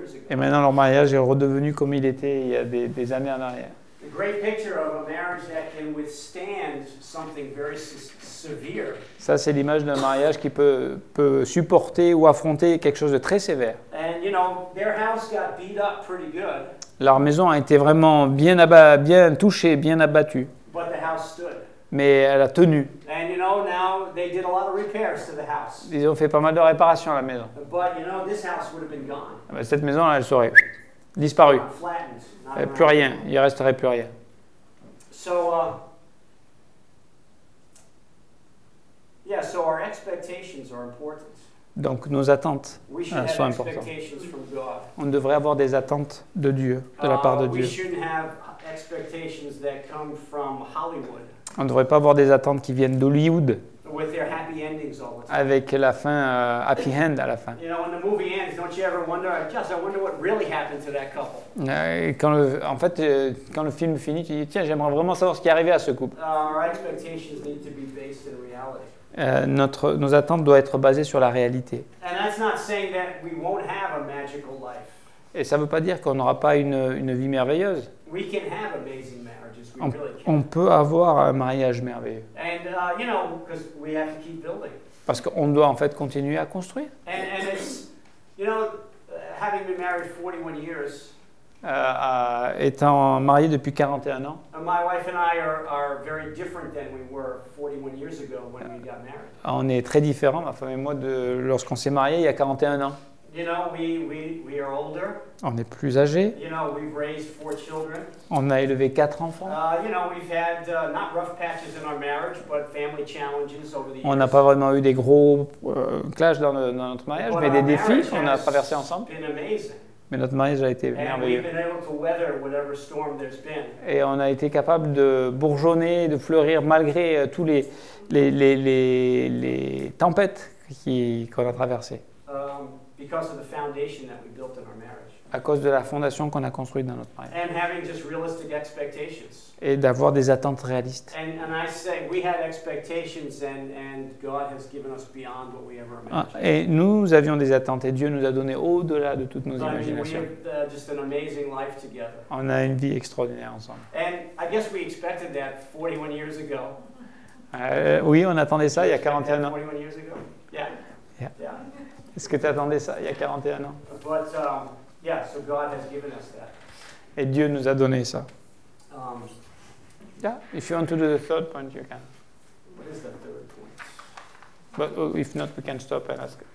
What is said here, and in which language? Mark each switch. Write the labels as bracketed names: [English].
[French] Et maintenant, leur mariage est redevenu comme il était il y a des années en arrière. [English] The great picture of a marriage that can withstand something very severe. [French] Ça, c'est l'image d'un mariage qui peut supporter ou affronter quelque chose de très sévère. [English] And you know, their house got beat up pretty good. [French] Leur maison a été vraiment bien touchée, bien abattue. [English] But the house stood. [French] Mais elle a tenu. [English] And you know, now they did a lot of repairs to the house. [French] Ils ont fait pas mal de réparations à la maison. [English] But you know, this house would have been gone. [French] Mais cette maison, elle serait disparue. [English] Flattened. [French] Plus rien. Il ne resterait plus rien. [English] So, yeah, so our expectations are important. [French] Donc nos attentes sont importantes. [English] Expectations from God. [French] On devrait avoir des attentes de Dieu, de la part de Dieu. [English] We shouldn't have expectations that come from Hollywood. [French] On ne devrait pas avoir des attentes qui viennent d'Hollywood [English] with their happy endings all the time. [French] Avec la fin, happy end à la fin. [English] You know, when the movie ends, don't you ever wonder, just, I wonder what really happened to that couple. [French] Quand le film finit, tu dis, tiens, j'aimerais vraiment savoir ce qui est arrivé à ce couple. [English] Our expectations need to be based in reality. [French] Nos attentes doivent être basées sur la réalité. [English] And that's not saying that we won't have a magical life. [French] Et ça ne veut pas dire qu'on n'aura pas une vie merveilleuse. [English] We can have amazing. [French] On peut avoir un mariage merveilleux. [English] And, you know, 'cause we have to keep building. [French] Parce qu'on doit en fait continuer à construire. [English] And it's, you know, having been married 41 years, [French] étant marié depuis 41 ans, [English] my wife and I are very different than we were 41 years ago when we got married. [French] On est très différent, ma femme et moi, de lorsqu'on s'est marié il y a 41 ans. [English] You know, we are older. [French] On est plus âgés. [English] You know, we've raised four children. [French] On a élevé quatre enfants. [English] You know, we've had not rough patches in our marriage, but family challenges over the years. [French] On n'a pas vraiment eu des gros clashs dans notre mariage, [English] but [French] mais des défis qu'on a traversés ensemble. [English] Been amazing. [French] Mais notre mariage a été merveilleux. [English] And we've been able to weather whatever storm there's been. [French] Et on a été capable de bourgeonner, de fleurir malgré tous les tempêtes qu'on a traversées. [English] Because of the foundation that we built in our marriage. [French] À cause de la fondation qu'on a construite dans notre mariage. [English] And having just realistic expectations. [French] Et d'avoir des attentes réalistes. [English] And I say we had expectations and God has given us beyond what we ever imagined. [French] Et nous avions des attentes et Dieu nous a donné au-delà de toutes nos imaginations. [English] We have just an amazing life together. [French] On a une vie extraordinaire ensemble. [English] And I guess we expected that 41 years ago. [French] Oui, on attendait ça il y a 41 ans. [English] 41 years ago? Yeah. Yeah. Yeah. [French] Est-ce que tu attendais ça il y a 41 ans? [English] But, yeah, so God has given us that. [French] Et Dieu nous a donné ça. [English] Yeah, if you want to do the third point, you can. What is the third point? But if not, we can stop and ask.